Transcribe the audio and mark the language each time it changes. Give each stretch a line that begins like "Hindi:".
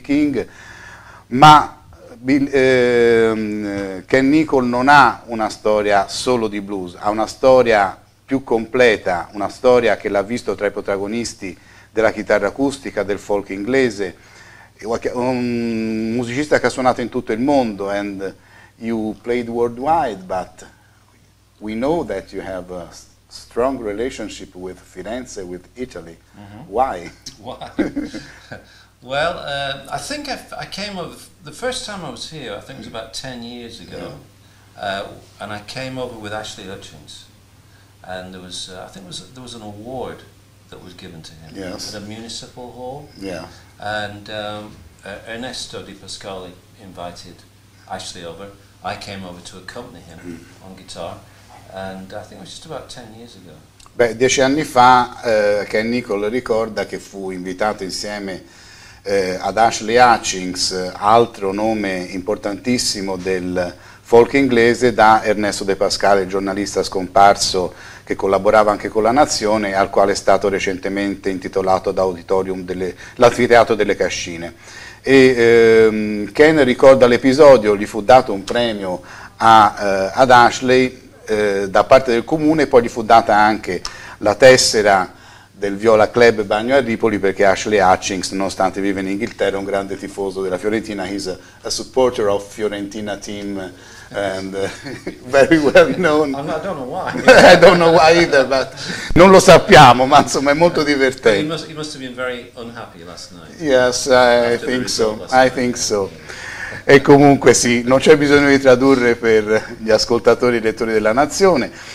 Italian: King, ma Ken Nichol non ha una storia solo di blues, ha una storia più completa, una storia che l'ha visto tra i protagonisti della chitarra acustica, del folk inglese, un musicista che ha suonato in tutto il mondo.
English: And you played worldwide, but we know that you have a strong relationship with Firenze, with Italy. Mm-hmm. Why? Why? Well, I think I came over, the first time I was here, I think it was about 10 years ago, yeah. And I came over with Ashley Hutchings, and there was, I think it was, there was an award that that was given to him. Yes. At a municipal hall. Yeah. And Ernesto Di Pasquale invited Ashley over. I came over to accompany him on guitar. And I think it was just about 10 years ago.
Italian: Beh, 10 anni fa, Ken Nicole ricorda che fu invitato insieme ad Ashley Hutchings, altro nome importantissimo del folk inglese, da Ernesto De Pasquale, giornalista scomparso che collaborava anche con La Nazione, al quale è stato recentemente intitolato ad auditorium l'anfiteatro delle Cascine. E Ken ricorda l'episodio, gli fu dato un premio ad Ashley da parte del comune, poi gli fu data anche la tessera del Viola Club Bagno a Ripoli, perché Ashley Hutchings, nonostante vive in Inghilterra, è un grande tifoso della Fiorentina.
English: He's a supporter of Fiorentina team and very well known. I don't know why either, but
Italian: non lo sappiamo, ma insomma è molto divertente.
English: He must have been very unhappy last night. Yes, I think so.
Italian: E comunque sì, non c'è bisogno di tradurre per gli ascoltatori e lettori della Nazione.